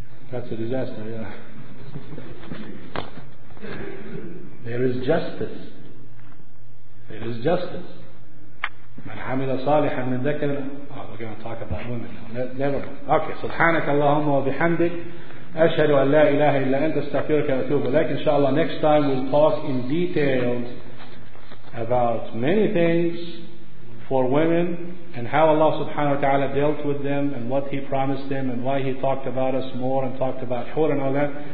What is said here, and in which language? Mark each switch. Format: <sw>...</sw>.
<en>That's a disaster, yeah. There is justice. There is justice.</en> <ar>مَنْ حَمِلَ صَالِحًا مِنْ ذَكَرٍ.</ar> <en>Oh, we're going to talk about women now. Never. Okay.</en> <ar>سبحانك اللهم وبحمدك أشهد أن لا إله إلا أنت استغفرك وأتوب إليك.</ar> <en>Inshallah, next time we'll talk in detail about many things for women and how Allah subhanahu wa ta'ala dealt with them and what He promised them and why He talked about us more and talked about Hur and all that.</en>